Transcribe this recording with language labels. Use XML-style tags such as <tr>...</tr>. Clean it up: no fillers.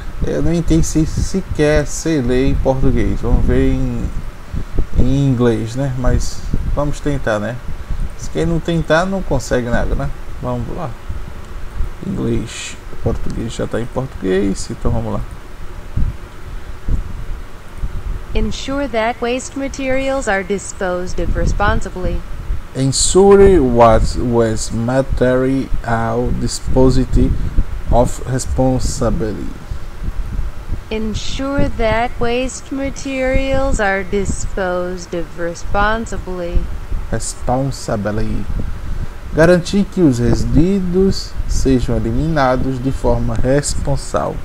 <pt>Eu nem tenho sequer sei ler em português, vamos ver em inglês, né? Mas vamos tentar, né? Se quem não tentar, não consegue nada, né? Vamos lá. Inglês, português já está em português, então vamos lá.</pt> <en>Ensure that waste materials are disposed of responsibly. Ensure waste materials are disposed of responsibly. Ensure that waste materials are disposed of responsibly. Responsibly.</en> <pt>Garantir que os resíduos sejam eliminados de forma responsável.</pt>